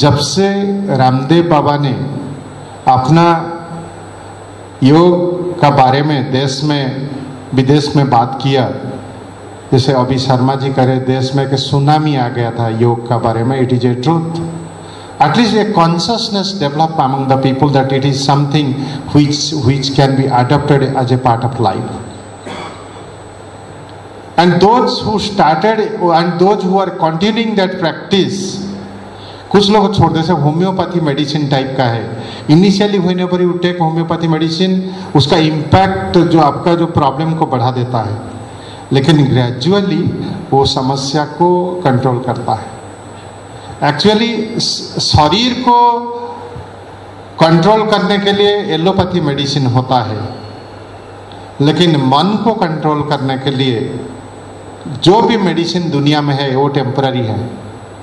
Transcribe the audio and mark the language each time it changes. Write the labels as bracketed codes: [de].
[hi] जब से रामदेव बाबा ने अपना योग का बारे में देश में विदेश में बात किया, जैसे अभी शर्मा जी करे देश में कि सुनामी आ गया था योग का बारे में, [en] It is a truth. At least a consciousness develop among the people that it is something which can be adopted as a part of life. And those who started and those who are continuing that practice, [hi] कुछ लोग छोड़ते हैं, homeopathy medicine type का है। [en] initially whenever you take [hi] homeopathy medicine, उसका impact जो आपका जो प्रॉब्लम को बढ़ा देता है, लेकिन ग्रेजुअली वो समस्या को कंट्रोल करता है। एक्चुअली शरीर को कंट्रोल करने के लिए एलोपैथी मेडिसिन होता है, लेकिन मन को कंट्रोल करने के लिए जो भी मेडिसिन दुनिया में है वो टेम्पररी है।